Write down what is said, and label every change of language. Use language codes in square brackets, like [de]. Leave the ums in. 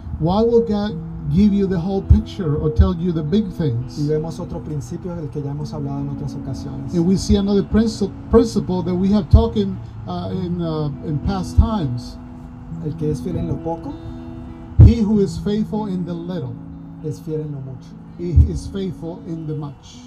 [en] Why will God give you the whole picture or tell you the big things? [es] Y vemos otro principio del que ya hemos hablado en otras ocasiones. [en] And we see another principle, that we have talked in uh, in, uh, in past times. [es] El que es fiel en lo poco. [en] He who is faithful in the little [es] es fiel en lo mucho. [en] He is faithful in the much.